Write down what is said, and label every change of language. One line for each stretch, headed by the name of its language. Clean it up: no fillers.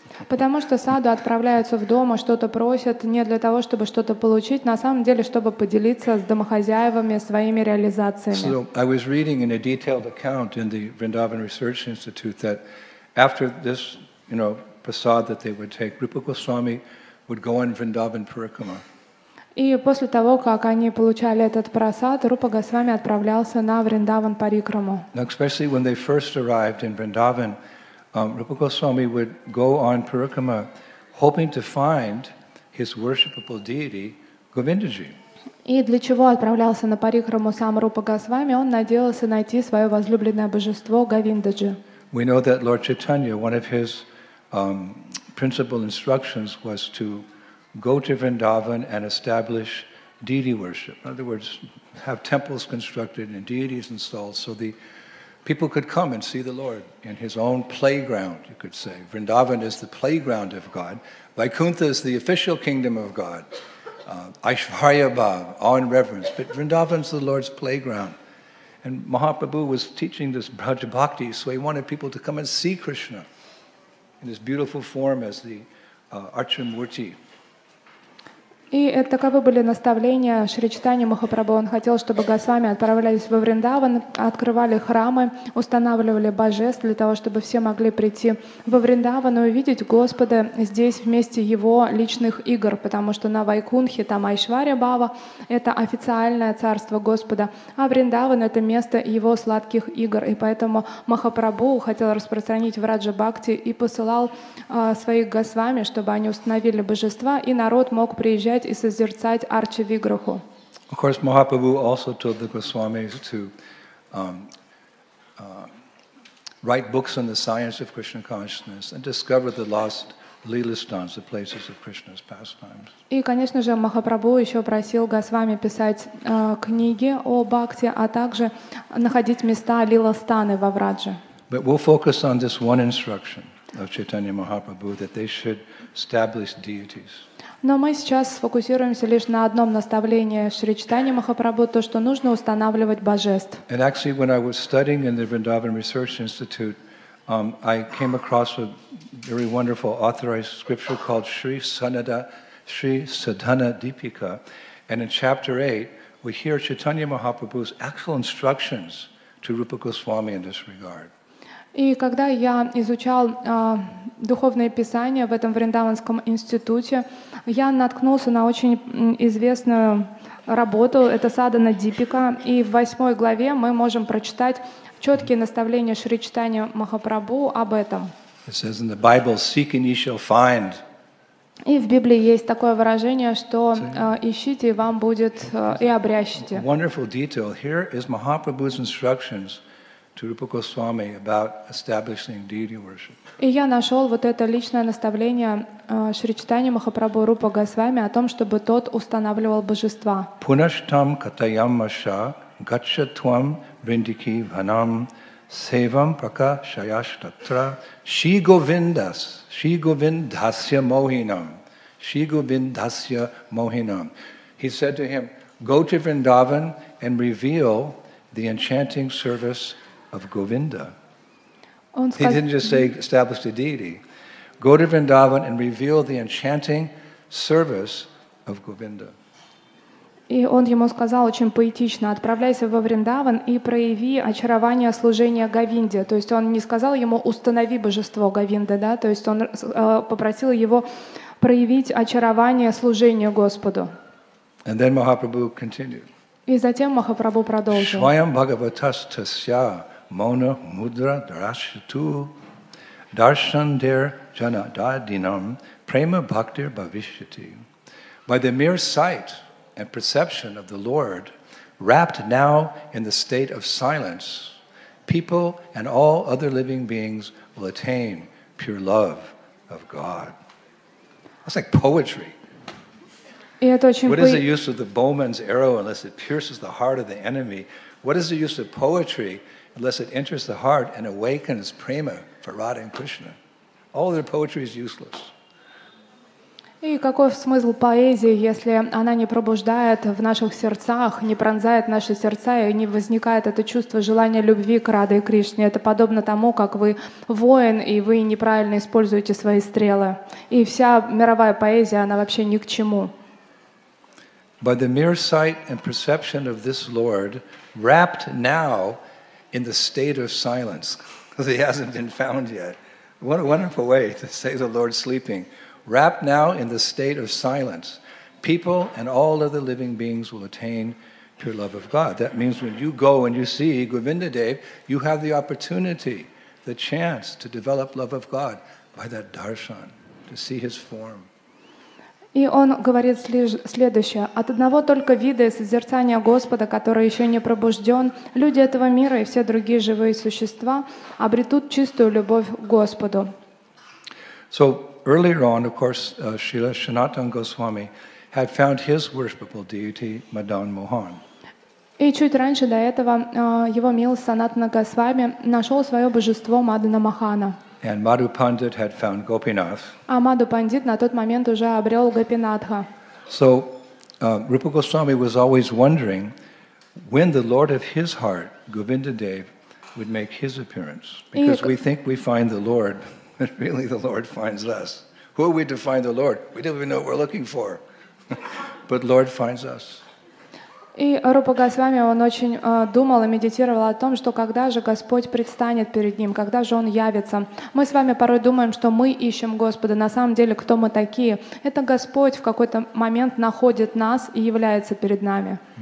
Russian: Потому что саду отправляются в дом, что-то просят не для того, чтобы что-то получить, на самом деле, чтобы поделиться с домохозяевами своими реализациями.
English: So I was reading in a detailed account in the Vrindavan Research Institute that after this, you know, prasad that they would take, Rupa Goswami would go in Vrindavan Parikrama.
Russian: И после того, как они получали этот прасад, Рупа Госвами отправлялся на Вриндаван Парикраму.
English: Especially when they first arrived in Vrindavan, Rupa Goswami would go on Parikrama, hoping to find his worshipable deity, Govindaji.
Russian: И для чего отправлялся на Парикраму сам Рупа Госвами? Он надеялся найти свое возлюбленное божество Говиндаджи.
English: We know that Lord Chaitanya, one of his principal instructions was to go to Vrindavan and establish deity worship. In other words, have temples constructed and deities installed so the People could come and see the Lord in his own playground, you could say. Vrindavan is the playground of God. Vaikuntha is the official kingdom of God. Aishwarya Bhav, awe and reverence. But Vrindavan's the Lord's playground. And Mahaprabhu was teaching this Braj Bhakti, so he wanted people to come and see Krishna in his beautiful form as the Archamurti.
Russian: И таковы были наставления Шри Чайтанья Махапрабху. Он хотел, чтобы госвами отправлялись во Вриндаван, открывали храмы, устанавливали божеств для того, чтобы все могли прийти во Вриндаван и увидеть Господа здесь вместе его личных игр, потому что на Вайкунхе там Айшварья Бава — это официальное царство Господа, а Вриндаван — это место его сладких игр. И поэтому Махапрабху хотел распространить Враджа Бхакти и посылал своих госвами, чтобы они установили божества, и народ мог приезжать и созерцать Арчавиграху.
English: Of course, Mahaprabhu also told the Goswamis to write books on the science of Krishna consciousness and discover the lost Lilasthans, the places of Krishna's pastimes.
Russian: И, конечно же, Махапрабху еще просил Госвами писать книги о Бхакти, а также находить места Лиластаны во Врадже.
English: But we'll focus on this one instruction of Chaitanya Mahaprabhu, that they should establish deities.
Russian: Но мы сейчас сфокусируемся лишь на одном наставлении Шри Чайтанья Махапрабху, то, что нужно устанавливать божеств.
English: And actually, when I was studying in the Vrindavan Research Institute, I came across a very wonderful authorized scripture called Sri Sadhana Deepika. And in chapter 8, we hear Chaitanya Mahaprabhu's actual instructions to Rupa Goswami in this regard.
Russian: И когда я изучал духовное писание в этом Вриндаванском институте, я наткнулся на очень известную работу, это Садхана Дипика, и в 8 главе мы можем прочитать четкие наставления Шри Чайтанья Махапрабху об этом.
English: It says in the Bible, seek and ye shall find.
Russian: И в Библии есть такое выражение, что ищите, и вам будет, и обрящите.
English: Wonderful detail. Here is Mahaprabhu's instructions to Rupa Goswami about establishing deity worship.
Russian: И я нашел вот это личное наставление Шри Чайтанья Махапрабху Рупа Госвами о том, чтобы тот устанавливал божества.
Sanskrit: Пунаштам катаямаша гачатвам вриндики ванам севам пракашаяштатра Шри Говиндасья Мохинам.
English: He said to him, go to Vrindavan and reveal the enchanting service of Govinda. He didn't just say establish the deity. Go to Vrindavan and reveal the enchanting service of Govinda.
Russian: И он ему сказал очень поэтично: отправляйся во Вриндаван и прояви очарование служения Говинде. То есть он не сказал ему установи божество Говинды, да? То есть он попросил его проявить очарование служения Господу.
English: And then Mahaprabhu continued.
Russian: И затем Махапрабху продолжил.
Sanskrit: Swayam Bhagavatastasya Mona mudra drashtu darshan der jana dadinam prema bhaktir bhavishyati.
English: By the mere sight and perception of the Lord, wrapped now in the state of silence, people and all other living beings will attain pure love of God. That's like poetry. What is the use of the bowman's arrow unless it pierces the heart of the enemy? What is the use of poetry unless it enters the heart and awakens prema for Radha and Krishna? All their poetry is useless.
Russian: И какой смысл поэзии, если она не пробуждает в наших сердцах, не пронзает наши сердца и не возникает это чувство желания любви к Раде и Кришне? Это подобно тому, как вы воин, и вы неправильно используете свои стрелы. И вся мировая поэзия, она вообще ни к чему.
English: By the mere sight and perception of this Lord, wrapped now in the state of silence, because he hasn't been found yet. What a wonderful way to say the Lord sleeping. Wrapped now in the state of silence, people and all other living beings will attain pure love of God. That means when you go and you see Govindadev, you have the opportunity, the chance to develop love of God by that darshan, to see his form.
Russian: И он говорит следующее. От одного только вида и созерцания Господа, который еще не пробужден, люди этого мира и все другие живые существа обретут чистую любовь к Господу.
English: So, earlier on, of course, Srila Sanatana Goswami had found his worshipable deity, Madan Mohan.
Russian: И чуть раньше до этого его милость Санатана Госвами нашел свое божество Мадана Махана.
English: And Madhu Pandit had found Gopinath.
Russian: А Мадху Пандит на тот момент уже обрел Гопинатха.
English: So Rupa Goswami was always wondering when the Lord of his heart, Govinda Dev, would make his appearance. Because we think we find the Lord, but really the Lord finds us. Who are we to find the Lord? We don't even know what we're looking for. But Lord finds us.
Russian: И Рупа Госвами, он очень думал и медитировал о том, что когда же Господь предстанет перед ним, когда же он явится. Мы с вами порой думаем, что мы ищем Господа. На самом деле, кто мы такие? Это Господь в какой-то момент находит нас и является перед нами.